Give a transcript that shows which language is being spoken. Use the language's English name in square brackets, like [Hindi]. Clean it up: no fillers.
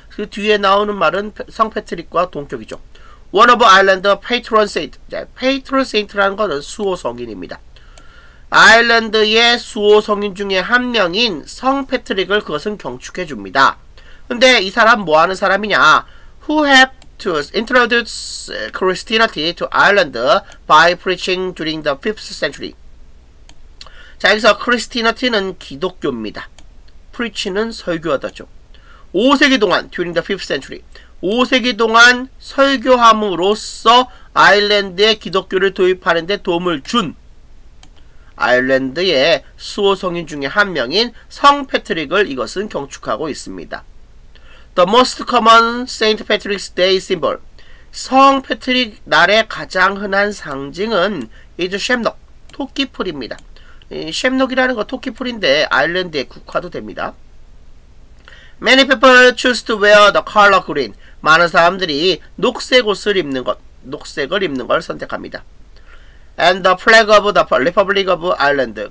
[Korean] 그 뒤에 나오는 말은 성 패트릭과 동격이죠. [English] One of Ireland's patron saint. [Korean] 네, patron saint라는 것은 수호성인입니다. 아일랜드의 수호성인 중에 한 명인 성 패트릭을 그것은 경축해 줍니다. 근데 이 사람 뭐 하는 사람이냐? [English] Who have to introduce Christianity to Ireland by preaching during the 5th century? [Korean] 자, 여기서 Christianity는 기독교입니다. Preach는 설교하다죠. 5세기 동안, [English] during the 5th century. [Korean] 5세기 동안 설교함으로써 아일랜드에 기독교를 도입하는 데 도움을 준 아일랜드의 수호성인 중에 한 명인 성 패트릭을 이것은 경축하고 있습니다. [English] The most common St. Patrick's Day symbol. [Korean] 성 패트릭 날의 가장 흔한 상징은 [English] is shamrock, [Korean] 토끼풀입니다. 이 shamrock이라는 거 토끼풀인데 아일랜드에 국화도 됩니다. [English] Many people choose to wear the color green. [Korean] 많은 사람들이 녹색 옷을 입는 것, 녹색을 입는 걸 선택합니다. [English] And the flag of the Republic of Ireland.